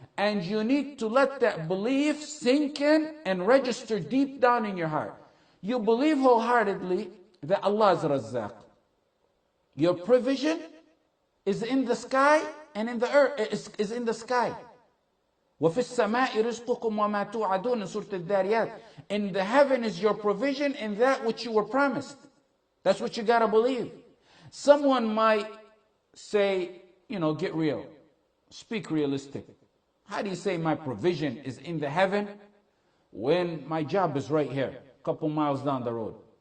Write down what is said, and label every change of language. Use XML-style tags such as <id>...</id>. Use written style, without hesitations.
<en>And you need to let that belief sink in and register deep down in your heart. You believe wholeheartedly that Allah is Razzaq. Your provision is in the sky and in the earth, is in the sky.</en> <ar>وَفِي السَّمَاءِ رِزْقُكُمْ وَمَا تُوْعَدُونَ</ar> <en>in Surah Al-Dariyat. In the heaven is your provision in that which you were promised. That's what you gotta believe. Someone might say, you know, get real. Speak realistic. How do you say my provision is in the heaven when my job is right here, a couple miles down the road?</en>